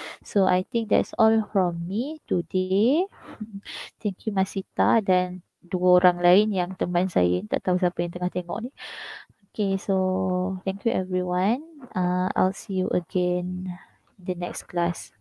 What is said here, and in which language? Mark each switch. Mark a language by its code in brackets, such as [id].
[en] So I think that's all from me today. [ms] Thank you Masita dan 2 orang lain yang teman saya. Tak tahu siapa yang tengah tengok ni. Okay, so thank you everyone. [en] I'll see you again in the next class.